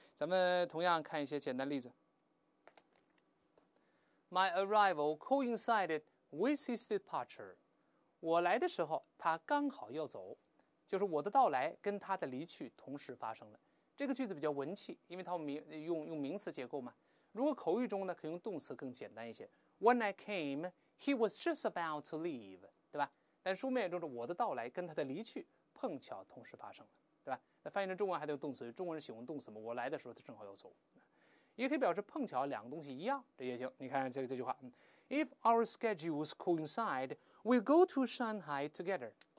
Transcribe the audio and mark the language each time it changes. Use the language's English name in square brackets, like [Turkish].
[Chinese] 咱们同样看一些简单例子 ： [English] My arrival coincided with his departure。 [Chinese] 我来的时候，他刚好要走，就是我的到来跟他的离去同时发生了。这个句子比较文气，因为它用名词结构嘛。如果口语中呢，可以用动词更简单一些。 [English] When I came, he was just about to leave， [Chinese] 对吧？但书面中的我的到来跟他的离去碰巧同时发生了，对吧？那翻译成中文还得用动词，中文是喜欢动词嘛？我来的时候他正好要走，也可以表示碰巧两个东西一样，这也行。你看这句话 ， [English] If our schedules coincide, we go to Shanghai together。